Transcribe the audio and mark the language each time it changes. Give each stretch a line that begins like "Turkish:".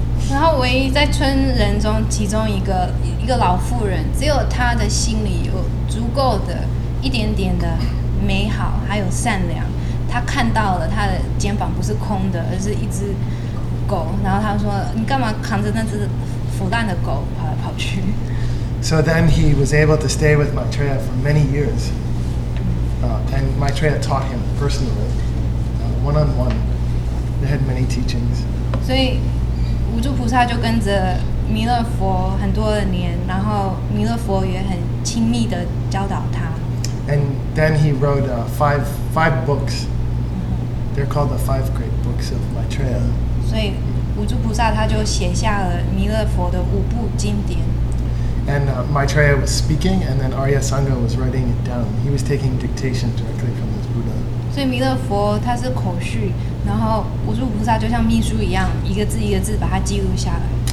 Chinese: 然后唯一在村人中，其中一个老妇人，只有她的心里有足够的一点点的。美好还有善良，他看到了他的肩膀不是空的，而是一只狗。然后他说：“你干嘛扛着那只腐烂的狗跑来跑去？”
English: So then he was able to stay with Maitreya for many years, and Maitreya taught him personally, one-on-one. They had many teachings.
Chinese: 所以无著菩萨就跟着弥勒佛很多的年，然后弥勒佛也很亲密的教导他。
English: And then he wrote five books. They're called the five great books of Maitreya.
Chinese: So, 无著菩萨他就写下了弥勒佛的五部经典。
English: And Maitreya was speaking, and then Arya Sangha was writing it down. He was taking dictation directly from his Buddha.
Chinese: So, 弥勒佛他是口述，然后无著菩萨就像秘书一样，一个字一个字把它记录下来。